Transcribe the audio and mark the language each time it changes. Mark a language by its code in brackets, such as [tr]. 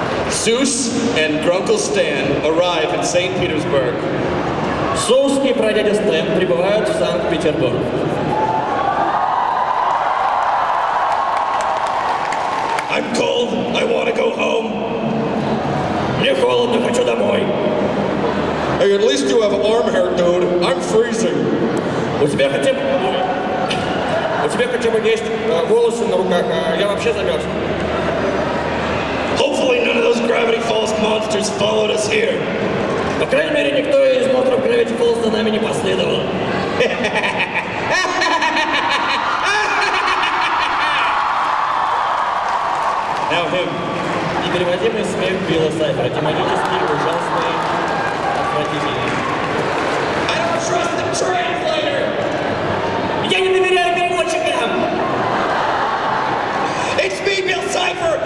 [en] СУС and Grunkle Stan arrive in St. Petersburg. [ru] СУС и прадядя Стэн прибывают в Санкт-Петербург. [en] I'm cold. I want to go home. [ru] Мне холодно, хочу домой. [en] Hey, at least you have arm hair, dude. I'm freezing. [ru] У тебя хотя бы есть волосы на руках, а я вообще замерз. [en] Hopefully none of those Gravity Falls monsters followed us here. [ru] По крайней мере, никто из монстров Gravity Falls за нами не последовал. [en] Now him. [ru] И переводимый смех Билла Сайфера. Демонический, ужасный, отвратительный. [en] I don't trust the translator! [ru] Я не доверяю переводчикам! [en] It's me, Билл Сайфер!